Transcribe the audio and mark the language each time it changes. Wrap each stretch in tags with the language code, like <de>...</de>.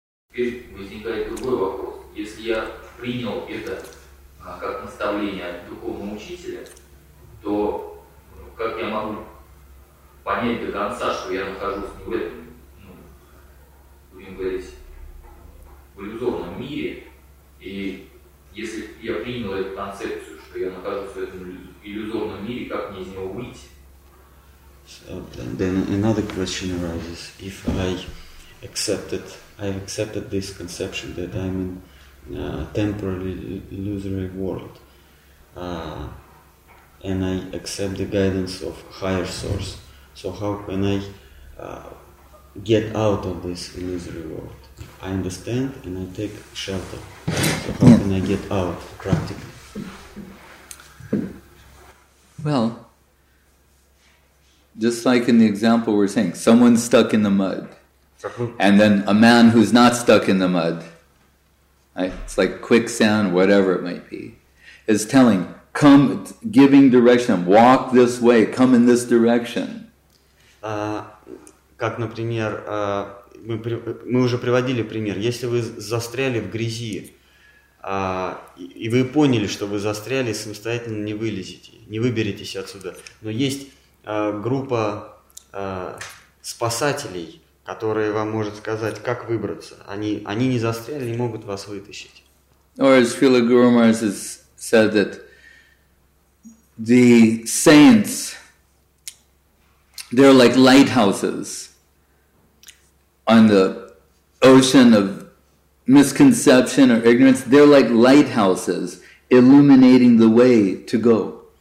<ru>Теперь возникает другой вопрос. Если я принял это как наставление от духовного учителя, то как я могу понять до конца, что я нахожусь не в этом, ну, будем говорить, в иллюзорном мире, и если я принял эту концепцию, что я нахожусь в этом иллюзорном мире, как мне из него выйти?</ru> <en>So, then another question arises. If I accepted this conception that I'm in a temporary illusory world, and I accept the guidance of higher source, so how can I get out of this illusory world? I understand and I take shelter. So how can I get out practically? Well, just like in the example we're saying, someone's stuck in the mud. And then a man who's not stuck in the mud, right, it's like quicksand, whatever it might be, is telling, come, giving direction, walk this way, come in this direction.</en> <ru>Как, например, мы уже приводили пример, если вы застряли в грязи, и вы поняли, что вы застряли, самостоятельно не вылезете, не выберетесь отсюда. Но есть группа спасателей, которые вам может сказать, как выбраться. Они не застряли, не могут вас вытащить.</ru> <en>Or as Srila Guru Maharaj has said that the saints, they're like lighthouses on the ocean of misconception or ignorance. They're like lighthouses illuminating the way to go.</en>